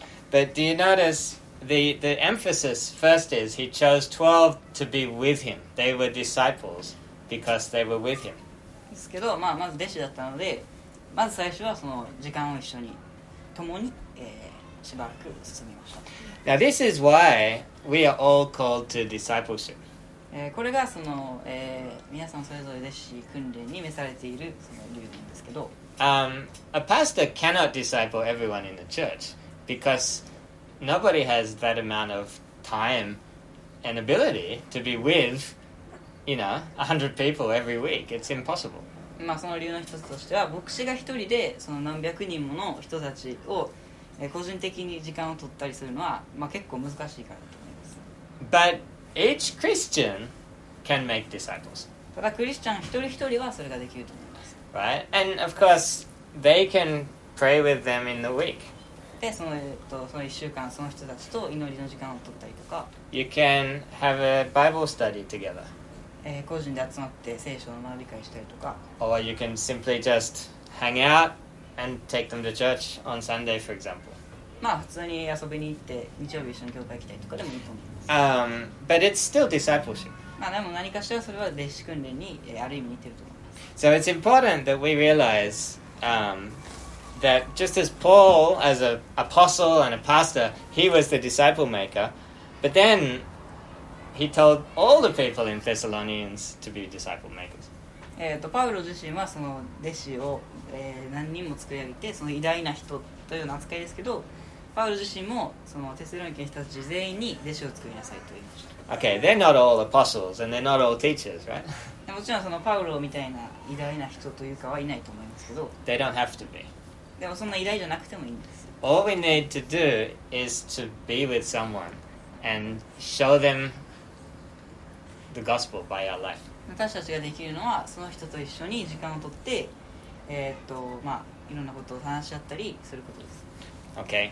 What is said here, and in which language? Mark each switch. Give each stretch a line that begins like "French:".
English: But do you notice the emphasis first is he chose 12 to be with him. They were disciples because they were with him.
Japanese: ですけど、まあ、まず弟子だったので、まず最初はその時間を一緒に共に、しばらく進みました。
English: Now this is why we are all called to discipleship.
Japanese: これがその、皆さんそれぞれ弟子訓練に召されているその理由なんですけど、
English: A pastor cannot disciple everyone in the church because nobody has that amount of time and ability to be with, you know, 100 people every week. It's impossible.
Japanese: まあその理由の一つとしては、牧師が一人でその何百人もの人たちを個人的に時間を取ったりするのは、まあ結構難しいからだと思います。
English: But each Christian can make disciples.
Japanese: ただクリスチャン一人一人はそれができると思います。
English: Right, and of course, they can pray with them in the week.
Japanese: で、その一週間、その人たちと祈りの時間を取ったりとか。
English: You can have a Bible study together.
Japanese: 個人で集まって聖書の学び会したりとか。
English: Or you can simply just hang out and take them to church on Sunday, for example.
Japanese: まあ普通に遊びに行って日曜日一緒に教会行きたいとかでもいいと思います。
English: But it's still discipleship.
Japanese: まあでも何かしらそれは弟子訓練に、ある意味似てると思います。
English: So it's important that we realize that just as Paul, as an apostle and a pastor, he was the disciple maker, but then he told all the people in Thessalonians to be disciple makers.
Japanese: パウロ自身はその弟子を、何人も作り上げて、その偉大な人というの扱いですけど、パウロ自身もそのテスロニケの人たち全員に弟子を作りなさいと言いました。
English: Okay, they're not all apostles and they're not all teachers, right?
Japanese: もちろんそのパウロみたいな偉大な人というかはいないと思いますけど。
English: They don't have to be.
Japanese: でもそんな偉大じゃなくてもいいんです。
English: All we need to do is to be with someone and show them the gospel by our life.
Japanese: 私たちができるのはその人と一緒に時間をとって、まあいろんなことを話し合ったりすることです。